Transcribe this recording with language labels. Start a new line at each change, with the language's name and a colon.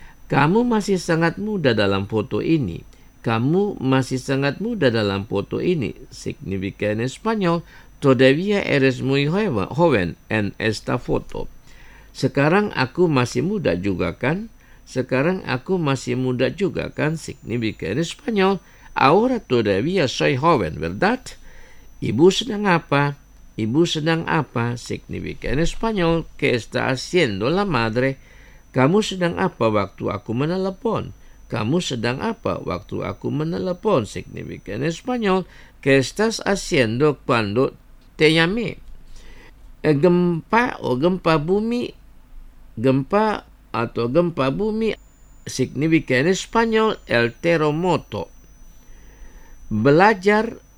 Indonesian: Kamu masih sangat muda dalam foto ini. Kamu masih sangat muda dalam foto ini.
Spanish: Significa en español, todavía eres muy joven en esta foto.
Indonesian: Sekarang aku masih muda juga kan? Sekarang aku masih muda juga kan?
Spanish: Significa en español, ahora todavía soy joven, ¿verdad?
Indonesian: Ibu sedang apa? Ibu sedang apa?
Spanish: Significa en español, ¿qué está haciendo la madre?
Indonesian: Kamu sedang apa waktu aku menelepon? Kamu sedang apa waktu aku menelepon
Spanish: significa en español ¿qué estás haciendo cuando te llamé?
Indonesian: Gempa o gempa bumi, gempa atau gempa bumi
Spanish: significa en español el terremoto.
Indonesian: Belajar